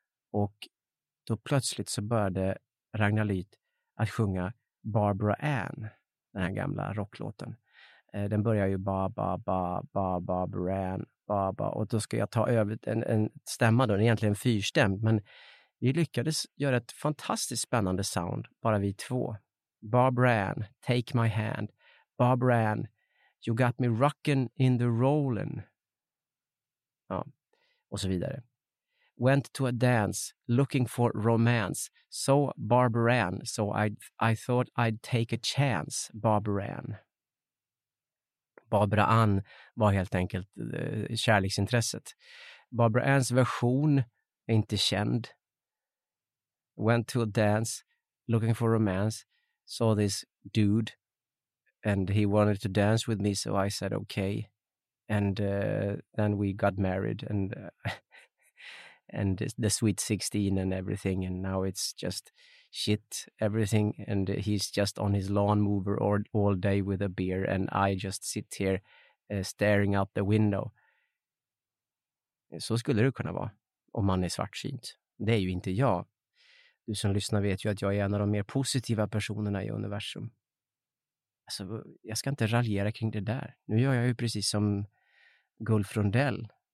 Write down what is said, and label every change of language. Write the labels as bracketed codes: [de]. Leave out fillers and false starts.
[sv] Och då plötsligt så började Ragnar Lyth att sjunga Barbara Ann, den här gamla rocklåten. Den börjar ju ba ba ba ba Barbara Ann ba ba, och då ska jag ta över en stämma då, egentligen en fyrstämd, men vi lyckades göra ett fantastiskt spännande sound bara vi två. [en] Barbara Ann, take my hand. Barbara Ann, you got me rockin' in the rollin'. [sv] Ja, och så vidare. [en] Went to a dance, looking for romance. So Barbara Ann, so I thought I'd take a chance, Barbara Ann. [sv] Barbara Ann var helt enkelt kärleksintresset. Barbara Anns version är inte känd. [en] Went to a dance, looking for romance. Saw this dude, and he wanted to dance with me, so I said okay. And then we got married, and the sweet 16 and everything, and now it's just shit everything, and he's just on his lawn mower all day with a beer, and I just sit here staring out the window. [sv] Så skulle det kunna vara om man är svartsynt. Det är ju inte jag. Du som lyssnar vet ju att jag är en av de mer positiva personerna i universum. Alltså, jag ska inte raljera kring det där. Nu gör jag ju precis som Gulf Rondell.